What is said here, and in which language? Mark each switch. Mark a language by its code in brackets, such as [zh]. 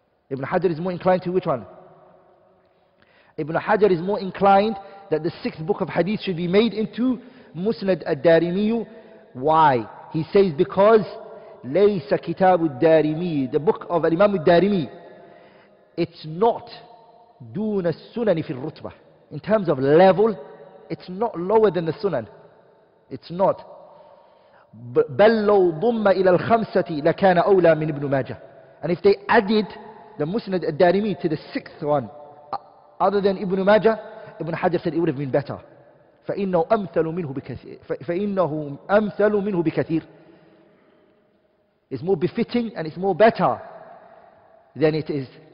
[en] Ibn Hajar is more inclined to which one? Ibn Hajar is more inclined that the sixth book of hadith should be made into Musnad al-Darimi. Why? He says because Laysa Kitab al-Darimi, the book of Imam al-Darimi, it's not [ar] دون السنن في الرتبة. [en] In terms of level, it's not lower than the Sunan. It's not. [ar] بل لو ضم إلى الخمسة لكان أولى من ابن ماجة. [en] And if they added the Musnad al-Darimi to the sixth one, other than Ibn Majah, Ibn Hajar said it would have been better. [ar] فإنه أمثل منه بكثير. فإنه أمثل منه بكثير. [en] It's more befitting and it's more better than it is.